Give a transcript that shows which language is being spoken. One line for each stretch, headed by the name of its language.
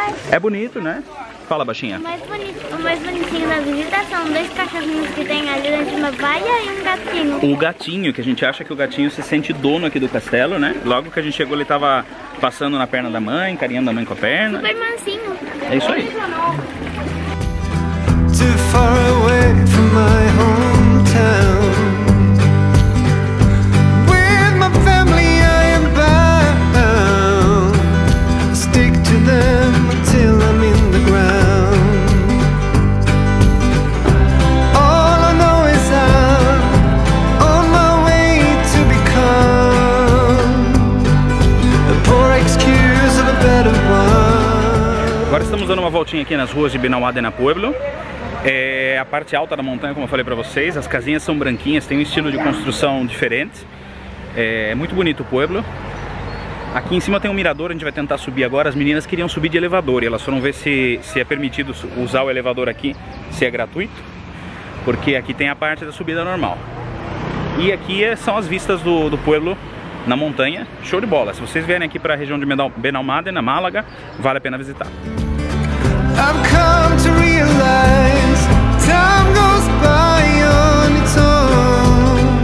Portuguese: É bonito, né? Fala, baixinha. O mais bonitinho da visita são dois cachorrinhos que tem ali na última baia e um gatinho. O gatinho, que a gente acha que o gatinho se sente dono aqui do castelo, né? Logo que a gente chegou, ele tava passando na perna da mãe, carinhando a mãe com a perna. Super mansinho. É isso aí.
English: Too far away from my hometown. With my family I am bound. Stick to them until I'm in the ground. All I know is I'm on my way to become a poor excuse of a better one.
Portuguese: Agora estamos dando uma voltinha aqui nas ruas de Binawadena Pueblo. É a parte alta da montanha, como eu falei pra vocês. As casinhas são branquinhas, tem um estilo de construção diferente. É muito bonito o pueblo. Aqui em cima tem um mirador, a gente vai tentar subir agora. As meninas queriam subir de elevador e elas foram ver se é permitido usar o elevador aqui, se é gratuito, porque aqui tem a parte da subida normal. E aqui são as vistas do pueblo na montanha. Show de bola! Se vocês vierem aqui pra região de Benalmádena, Málaga, vale a pena visitar.
English: I've come to realize time goes by on its own.